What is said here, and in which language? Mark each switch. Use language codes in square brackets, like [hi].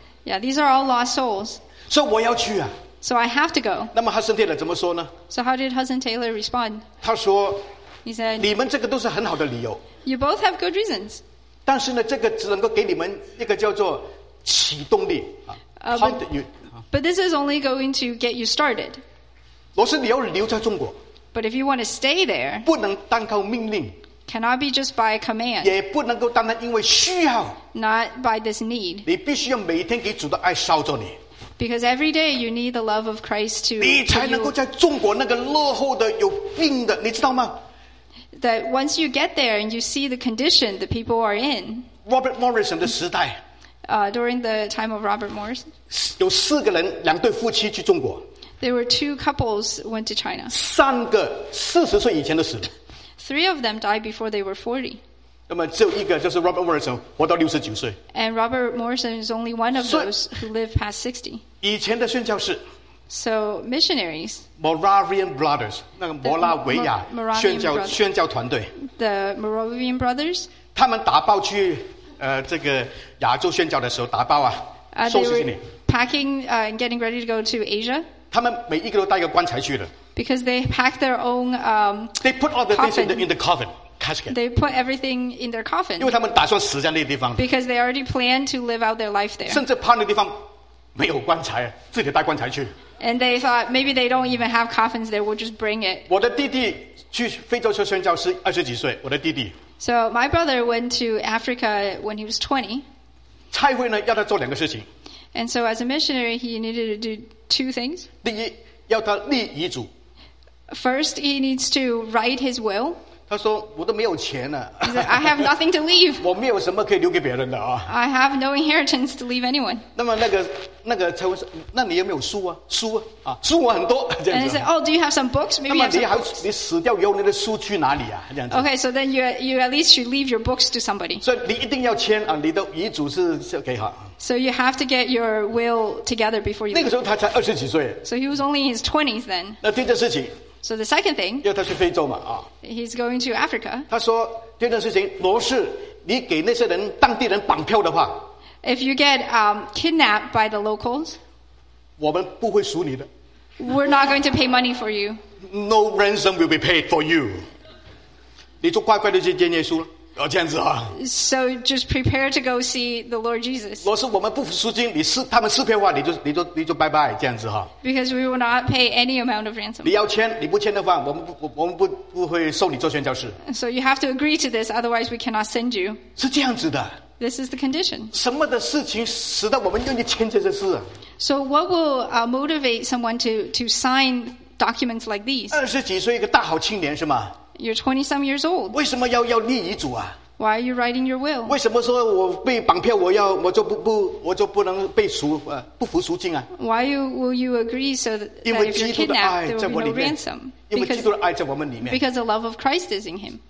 [en] Yeah, these are all lost souls. So [zh] 我要去啊。 [en] So I have to go. [zh] 那么 Hudson Taylor 怎么说呢 [en] ？So how did Hudson Taylor respond? [zh] 他说 [en] ，He said, [zh] 你们这个都是很好的理由。 [en] You both have good reasons. [zh] 但是呢，这个只能够给你们一个叫做启动力啊。 [en] But, But this is only going to get you started. [zh] 罗斯，你要留在中国。 [en] But if you want to stay there, [zh] 不能单靠命令。 [en] Cannot be just by command. [zh] 也不能够单单因为需要。 [en] Not by this need. [zh] 你必须要每天给主的爱烧着你。 [en] Because every day you need the love of Christ to. [zh] 你才能够在中国那个落后的有病的，你知道吗？ [en] That once you get there and you see the condition the people are in. [zh] Robert Morrison 的时代。 [en] During the time of Robert Morrison. [zh] 有四个人，两对夫妻去中国。 [en] There were two couples went to China. [zh] 三个四十岁以前的死了。 [en] Three of them died before they were 40. [zh] 那么只有一个就是 Robert Morrison 活到69岁。 [en] And Robert Morrison is only one of those who lived past 60. [zh] 以前的宣教士。 [en] So missionaries. [zh] Moravian Brothers, 那个摩拉维亚宣教团队。 [en] The Moravian Brothers. [zh] 他们打包去这个亚洲宣教的时候打包啊，收拾行李。 [en] Packing and getting ready to go to Asia. [zh] 他们每一个都带个棺材去的。 [en] Because they pack their own They put all the things in the coffin, casket. They put everything in their coffin. [zh] 因为他们打算死在那地方。 [en] Because they already plan to live out their life there. [zh] 甚至怕那地方没有棺材，自己带棺材去。 [en] And they thought maybe they don't even have coffins there. We'll just bring it. [zh] 我的弟弟去非洲做宣教师，二十几岁。我的弟弟。 [en] So my brother went to Africa when he was 20. [zh] 差会呢，要他做两个事情。 [en] And so as a missionary, he needed to do two things. [zh] 第一，要他立遗嘱。 [en] First, he needs to write his will. [zh] 他说我都没有钱了。 [en] He said, I have nothing to leave. [zh] 我没有什么可以留给别人的啊。 [en] I have no inheritance to leave anyone. [zh] 那么那个才会说，那你有没有书啊？书啊，书我很多。 [en] And he said, Oh, do you have some books? Maybe. [zh] 那么你死掉以后，你的书去哪里啊？这样子。 [en] Okay, so then you at least should leave your books to somebody. [zh] 所以你一定要签啊，你的遗嘱是给好。 [en] So you have to get your will together before you. [zh] 那个时候他才二十几岁。 [en] So he was only in his 20s then. [zh] 那第一件事情。 [en] So the second thing, [zh] 因为他去非洲嘛, [en] he's going to Africa. [zh] 他说, 第二件事情, 罗氏, 你给那些人, 当地人绑票的话, [en] if you get kidnapped by the locals, [zh] 我们不会赎你的。 [en] We're not going to pay money for you. No ransom will be paid for you. [zh] 你就乖乖的去见耶稣了, 这样子啊。 [en] So just prepare to go see the Lord Jesus. [zh] 罗氏, 我们不赎金, 你是, 他们撕票的话, 你就拜拜, 这样子啊。 [en] Because we will not pay any amount of ransom. [zh] 你要签, 你不签的话, 我们 不会收你做宣教士。 [en] So you have to agree to this, otherwise we cannot send you. [zh] 是这样子的。 [en] This is the condition. [zh] 什么的事情使得我们愿意签这些事啊? [en] So what will motivate someone to sign documents like these? [zh] 二十几岁一个大好青年是吗? [en] You're 20-some years old. [zh] 为什么要立遗嘱啊? [en] Why are you writing your will? [zh] 为什么说我被绑票我就不能被赎不服赎金啊? [en] Why will you agree so that if you're kidnapped, there will be no ransom? Because, [zh] 因为基督的爱在我们里面。 [en] Because the love of Christ is in him.